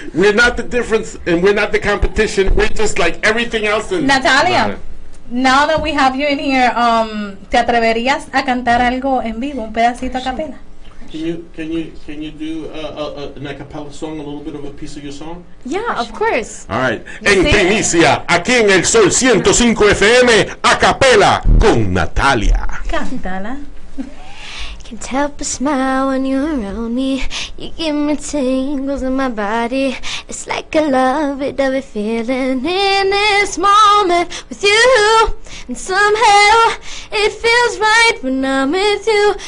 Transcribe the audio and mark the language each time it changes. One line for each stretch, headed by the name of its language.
English: We're not the difference, and we're not the competition. We're just like everything else. In
Spanish: Natalia,
English: now that we have you in here,
Spanish: ¿te atreverías a cantar algo en vivo, un pedacito a capela?
English: Can you do an a cappella song, a little bit of a piece of your song? Yeah, of course. All right.
Spanish: En Primicia, aquí en El Sol 105 FM, a capella con Natalia. Cántala.
English: Can't help but smile when you're around me. You give me tingles in my body. It's like I love it, every feeling in this moment with you. And somehow it feels right when I'm with you.